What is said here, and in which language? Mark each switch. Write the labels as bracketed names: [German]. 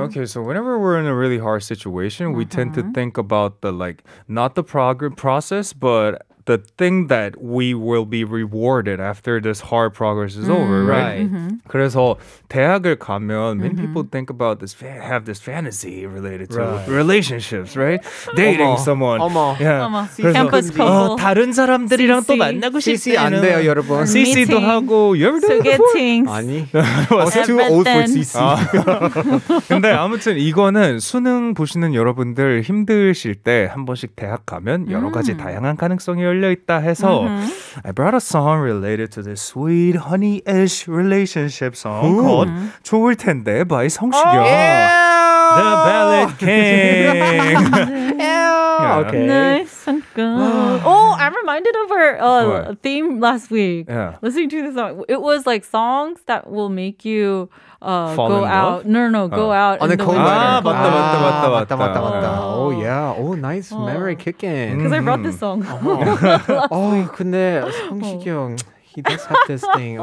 [English] Okay, so whenever we're in a really hard situation, we tend to think about the, like, not the process, but the thing that we will be rewarded after this hard progress is over, right? [Korean] 그래서 대학을 가면 [English] many people think about this, have this fantasy related to relationships, right? Dating someone. [Korean] 어머. [English] Yeah. [Korean] 어머. [English] See, campus couple. [Korean] 다른 사람들이랑 또 만나고 싶을 때는. CC 안 돼요, 여러분. CC도 하고. [English] You ever done it before? [Korean] 아니. [English] That's too old for CC. [Korean] 근데 아무튼 이거는 수능 보시는 여러분들 힘드실 때 한 번씩 대학 가면 여러 가지 다양한 가능성이 열려요. 걸려있다 해서 [English] I brought a song related to this sweet honey-ish relationship song called 좋을 텐데 by 성시경 The Ballad King Yeah. Okay. Nice. Oh, I'm reminded of our theme last week. Yeah. Listening to the song. It was like songs that will make you go out. No, no, no. Go out. On the cold weather. [Korean] 맞다, 맞다, 맞다, 맞다, 맞다, 맞다. [English] Oh, yeah. Oh, nice memory kicking. Because I brought this song. Oh, [Korean] 근데 [English] 성시경, he does have this thing.